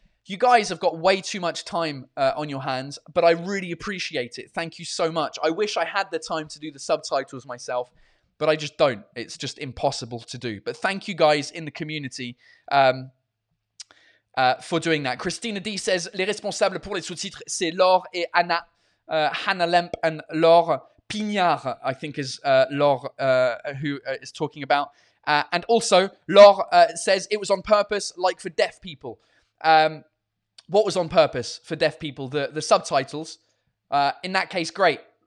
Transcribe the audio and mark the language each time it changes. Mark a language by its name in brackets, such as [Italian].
[English] You guys have got way too much time on your hands, but I really appreciate it. Thank you so much. I wish I had the time to do the subtitles myself, but I just don't. It's just impossible to do. But thank you guys in the community for doing that. Christina D says, [French] les responsables pour les sous-titres, c'est Laure et Anna. [English] Hannah Lemp and Laure Pignard, I think is Laure who is talking about. And also, Laure says, it was on purpose, like for deaf people. What was on purpose for deaf people? The subtitles. In that case, great.